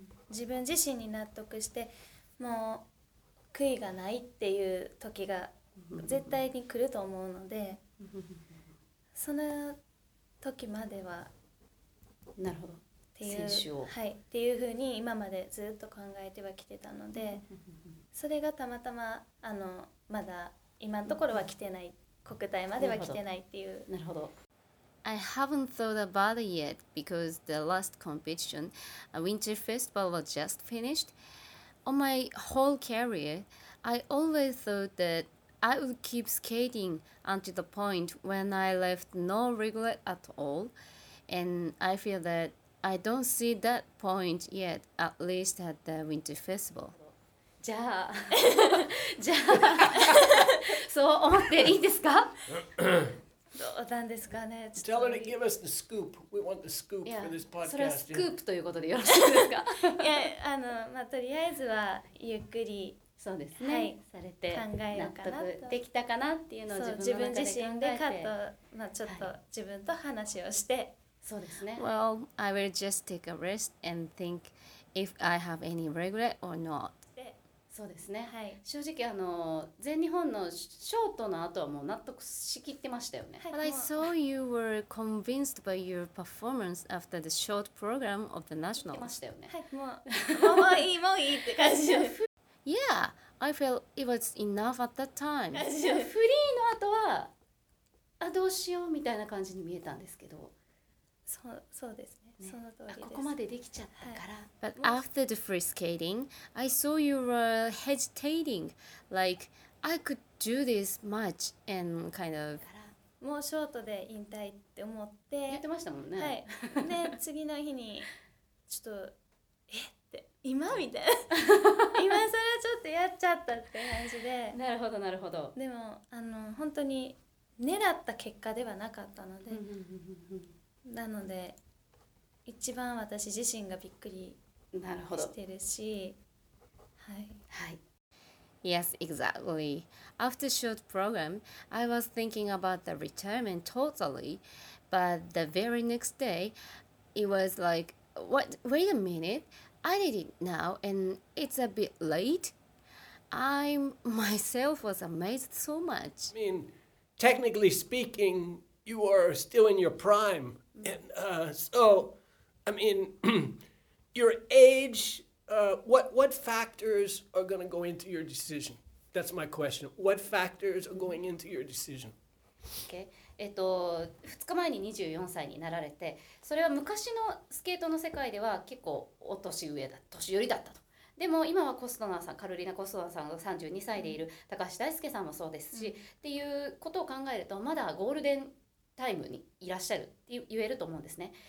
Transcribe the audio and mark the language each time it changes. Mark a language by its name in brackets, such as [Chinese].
[Japanese] 自分自身に納得してもう悔いがないっていう時が絶対に来ると思うのでその時まではなるほどっていう、はい、っていうふうに今までずっと考えてはきてたのでそれがたまたままだ今のところは来てない、国体までは来てないっていう。なるほど。 [English] I haven't thought about it yet because the last competition, a winter festival was just finished. On my whole career, I always thought that I would keep skating until the point when I left no regret at all. And I feel that I don't see that point yet, at least at the winter festival. [Japanese] じゃあ、じゃあ、そう思っていいですか？どうなんですかね。 [English] Tell her to give us the scoop. We want the scoop for this podcast. [Japanese] それはスクープということでよろしいですか？いや、まあ、とりあえずはゆっくりそうですね、はい、されて考えようかな、納得できたかなっていうのを自分自身でカット、まあ、ちょっと自分と話をして、はい、そうですね。 [English] Well, I will just take a rest and think if I have any regret or not. [Japanese] そうですね、はい、正直全日本のショートの後はもう納得しきってましたよね、は [English] い、But I saw you were convinced by your performance after the short program of the national. [Japanese] いましたよね、はい、もう、もういい、もういいって感じ [English] Yeah, I felt it was enough at that time. [Japanese] フリーの後はあどうしようみたいな感じに見えたんですけど、そうですね、その通りです。ここまでできちゃったから、は [English] い、But after the free skating, I saw you were hesitating. Like, I could do this much and kind of... [Japanese] もうショートで引退って思って言ってましたもんね、はい、で、次の日にちょっと、って今みたいな今更ちょっとやっちゃったって感じでなるほどなるほど。でも、本当に狙った結果ではなかったのでなので一番私自身がびっくりしてるし、はい、はい、 [English] Yes, exactly. After short program, I was thinking about the retirement totally, but the very next day, it was like, what? Wait a minute, I need it now, and it's a bit late. I myself was amazed so much. I mean, technically speaking, you are still in your prime. And so, I mean, your age, what factors are going to go into your decision? That's my question. What factors are going into your decision? Okay. [Japanese] 2日前に24歳になられて、それは昔のスケートの世界では結構お年上だ、年寄りだったと。でも今はコストナーさん、カロリーナ・コストナーさんが32歳でいる、高橋大輔さんもそうですし、っていうことを考えると、まだゴールデンタイムにいらっしゃるって言えると思うんですね。